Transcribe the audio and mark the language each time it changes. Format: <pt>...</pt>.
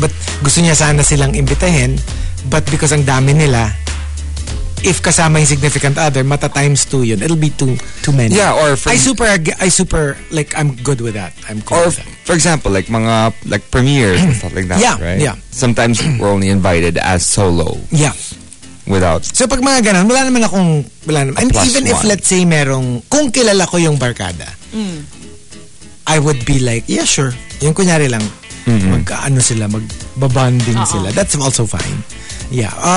<tl>But gusto niya sana silang imbitahin.</tl> <en>But because</en> <tl>ang dami nila, if kasama yung significant other, mata times two yun.</tl> <en>It'll be too many. Yeah, or for... I super, like, I'm good with that. I'm cool with that. For example, like mga like premieres and stuff like that, yeah, right? Yeah. Sometimes we're only invited as solo. Yeah. Without.</en> <tl>So pag mga ganun, wala naman.</tl> <en>And even if let's say</en> <tl>merong kung kilala ko yung barkada,</tl> <en>I would be like, yeah, sure.</en> <tl>Yung kunyari lang magkaano sila, magbabonding sila.</tl> <en>That's also fine. Yeah.</en>